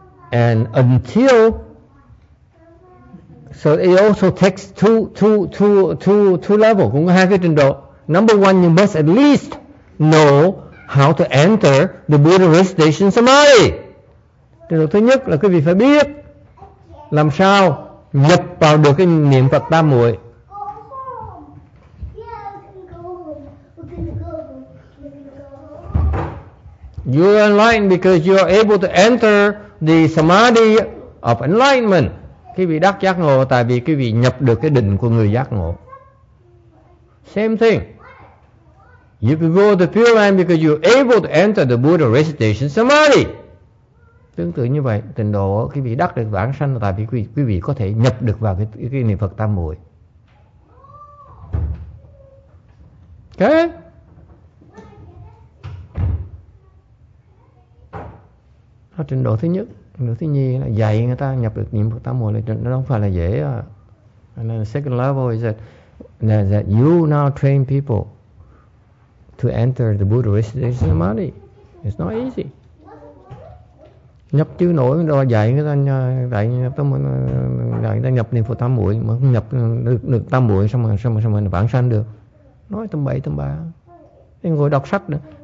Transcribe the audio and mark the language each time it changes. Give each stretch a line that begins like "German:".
English: And until, so it also takes two levels.
Vietnamese: Cũng hai cái trình độ.
English: Number one, you must at least know how to enter the Buddha Recitation Samadhi.
Vietnamese: Trình độ thứ nhất là quý vị phải biết làm sao nhập vào được cái niệm Phật Tam Muội.
English: You are enlightened because you are able to enter the samadhi of enlightenment.
Vietnamese: quý vị đắc giác ngộ tại vì quý vị nhập được cái định của người giác ngộ.
English: Same thing. You can go to the Pure Land because you're able to enter the Buddha recitation samadhi.
Vietnamese: Tương tự như vậy, tình độ quý vị đắc được vãng sanh tại vì quý vị có thể nhập được vào cái niệm Phật tam muội.
English: Ok.
Vietnamese: Đó, trình độ thứ nhất, trình độ thứ nhì là dạy người ta nhập được niệm Phật tam muội là nó không phải là dễ.
English: And then the second level is that you now train people to enter the Buddha recitation samadhi. It's not easy.
Vietnamese: Nhập chưa nổi rồi dạy người ta nhập niệm Phật tam muội mà không nhập được tam muội xong rồi vãng sanh được. Nói tầm bậy tầm bạ. Thì ngồi đọc sách nữa.